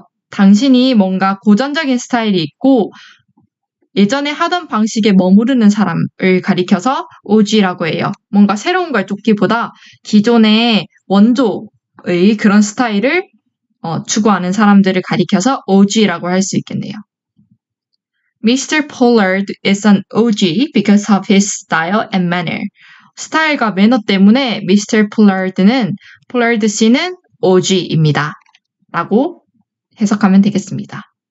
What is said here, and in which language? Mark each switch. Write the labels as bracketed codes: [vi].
[ko] 당신이 뭔가 고전적인 스타일이 있고 예전에 하던 방식에 머무르는 사람을 가리켜서 OG라고 해요. 뭔가 새로운 걸 쫓기보다 기존의 원조의 그런 스타일을 추구하는 사람들을 가리켜서 OG라고 할 수 있겠네요. [en] Mr. Pollard is an OG because of his style and manner. [ko] 스타일과 매너 때문에 Mr. Pollard 씨는 OG입니다. 라고 해석하면 되겠습니다.